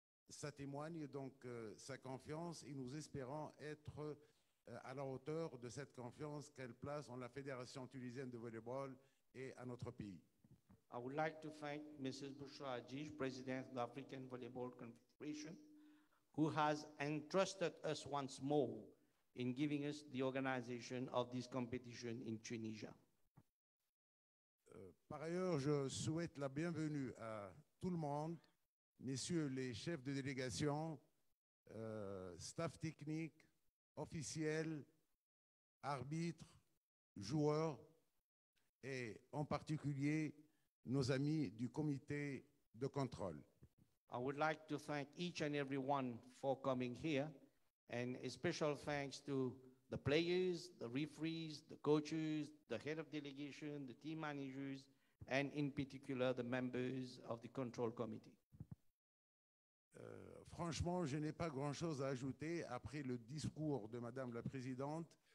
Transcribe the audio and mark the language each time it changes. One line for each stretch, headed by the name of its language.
French: Ça témoigne donc sa confiance et nous espérons être à la hauteur de cette confiance qu'elle place en la Fédération tunisienne de volleyball et à notre pays.
English: I would like to thank Mrs. Bushra Hajij, President of the African Volleyball Confederation, who has entrusted us once more in giving us the organization of this competition in Tunisia.
French: Par ailleurs, je souhaite la bienvenue à tout le monde, messieurs les chefs de délégation, staff technique, officiels, arbitres, joueurs et en particulier nos amis du comité de contrôle.
English: I would like to thank each and everyone for coming here, and a special thanks to the players, the referees, the coaches, the head of delegation, the team managers, and in particular the members of the control committee.
French: Franchement, je n'ai pas grand-chose à ajouter après le discours de Madame la Présidente.